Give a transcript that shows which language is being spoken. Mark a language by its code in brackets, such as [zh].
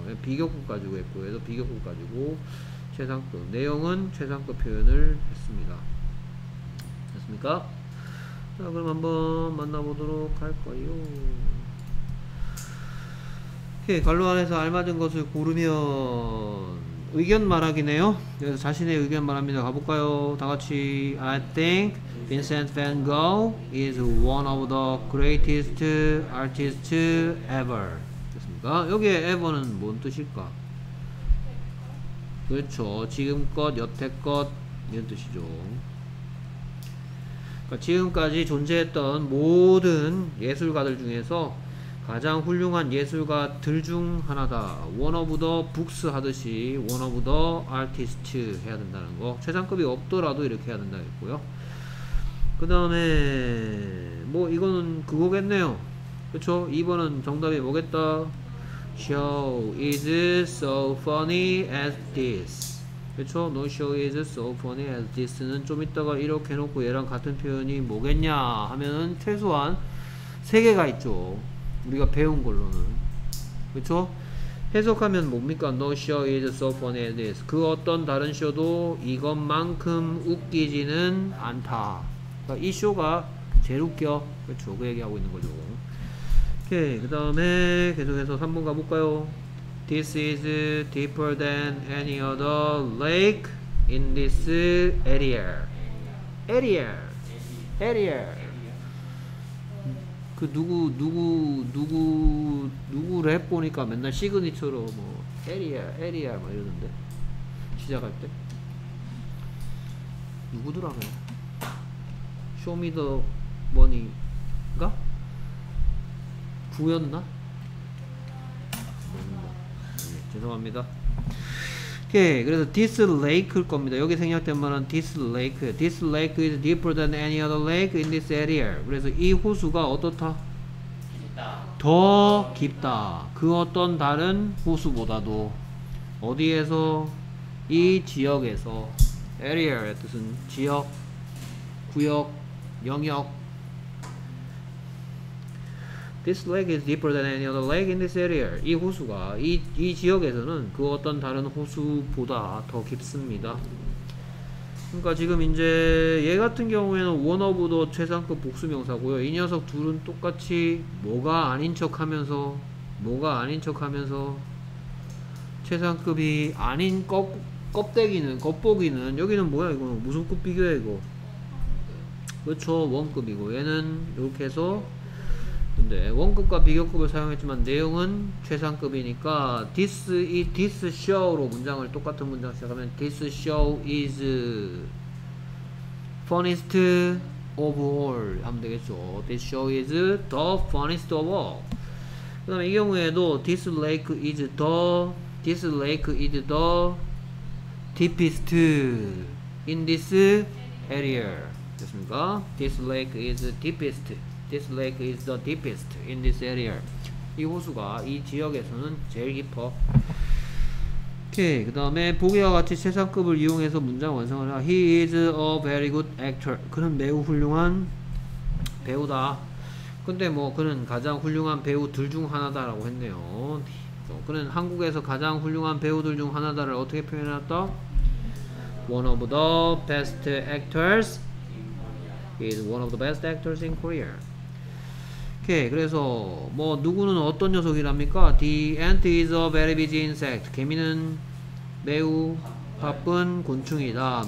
[ko] 얘는 비교급 가지고 했고 얘도 비교급 가지고 최상급 내용은 최상급 표현을 했습니다. 됐습니까? 자, 그럼 한번 만나보도록 할 거예요. 오케이, 관로 안에서 알맞은 것을 고르면 의견 말하기네요. 그래서 자신의 의견 말합니다. 가볼까요? 다 같이 [en] I think Vincent Van Gogh is one of the greatest artists ever. [ko] 됐습니까? 여기에 ever는 뭔 뜻일까? 그렇죠. 지금껏, 여태껏 이런 뜻이죠. 그러니까 지금까지 존재했던 모든 예술가들 중에서 가장 훌륭한 예술가 들 중 하나다. [en] One of the books [ko] 하듯이 [en] One of the artists [ko] 해야 된다는 거. 최상급이 없더라도 이렇게 해야 된다고 했고요. 그 다음에 뭐 이거는 그거겠네요. 그쵸? 2번은 정답이 뭐겠다? [en] Show is so funny as this. [ko] 그쵸? [en] No show is so funny as this [ko] 는 좀 이따가 이렇게 해놓고 얘랑 같은 표현이 뭐겠냐 하면은 최소한 3개가 있죠. 우리가 배운 걸로는. 그쵸? 해석하면 뭡니까? [en] No show is so funny as this. [ko] 그 어떤 다른 쇼도 이것만큼 웃기지는 않다. 그러니까 이 쇼가 제일 웃겨. 그쵸? 그 얘기하고 있는 거죠. 오케이. 그 다음에 계속해서 3번 가볼까요? [en] This is deeper than any other lake in this area. Area. Area. [ko] 그 누구 랩 보니까 맨날 시그니처로 뭐 area 막 이러던데 시작할 때 누구더라 그냥 쇼미더 머니가 부였나? 죄송합니다. 오케이. 그래서 [en] this lake [ko] 일 겁니다. 여기 생략된 말은 [en] this lake. This lake is deeper than any other lake in this area. [ko] 그래서 이 호수가 어떻다? 깊다. 더 깊다. 그 어떤 다른 호수보다도 어디에서? 이 지역에서. area의 뜻은 지역, 구역, 영역. [en] This lake is deeper than any other lake in this area. [ko] 이 호수가 이 지역에서는 그 어떤 다른 호수보다 더 깊습니다. 그러니까 지금 이제 얘 같은 경우에는 [en] one of the [ko] 최상급 복수명사고요. 이 녀석 둘은 똑같이 뭐가 아닌 척하면서 뭐가 아닌 척하면서 최상급이 아닌 껍데기는 겉보기는 여기는 뭐야 이거 무슨 급 비교야 이거? 그렇죠 원급이고 얘는 이렇게 해서. 근데 원급과 비교급을 사용했지만 내용은 최상급이니까 [en] this show [ko] 로 문장을 똑같은 문장 시작하면 [en] this show is funniest of all [ko] 하면 되겠죠. [en] This show is the funniest of all. [ko] 그 다음에 이 경우에도 [en] this lake is the deepest in this area [ko] 됐습니까? [en] This lake is deepest. This lake is the deepest in this area. [ko] 이 호수가 이 지역에서는 제일 깊어. 오케이. 그 다음에 보기와 같이 최상급을 이용해서 문장 완성하라. [en] He is a very good actor. [ko] 그는 매우 훌륭한 배우다. 근데 뭐 그는 가장 훌륭한 배우들 중 하나다라고 했네요. 그는 한국에서 가장 훌륭한 배우들 중 하나다를 어떻게 표현해놨다? [en] One of the best actors. He is one of the best actors in Korea. [ko] 오케이. 그래서 뭐 누구는 어떤 녀석이랍니까? [en] The ant is a very busy insect. [ko] 개미는 매우 바쁜 곤충이다.